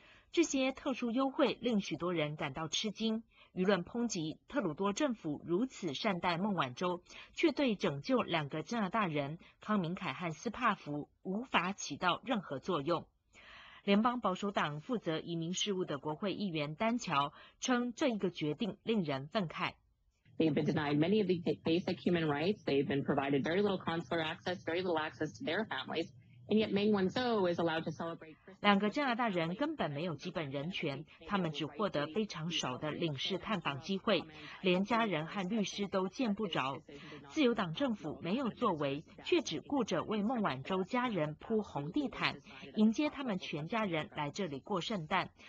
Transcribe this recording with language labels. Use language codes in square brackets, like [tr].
[zh] 这些特殊优惠令许多人感到吃惊，舆论抨击特鲁多政府如此善待孟晚舟，却对拯救两个加拿大人康明凯和斯帕福无法起到任何作用。联邦保守党负责移民事务的国会议员丹乔称，这一个决定令人愤慨。 [en] They've been denied many of the basic human rights. They've been provided very little consular access, very little access to their families. And yet, Meng Wanzhou is allowed to celebrate. [zh] 两个加拿大人根本没有基本人权，他们只获得非常少的领事探访机会，连家人和律师都见不着。自由党政府没有作为，却只顾着为孟晚舟家人铺红地毯，迎接他们全家人来这里过圣诞。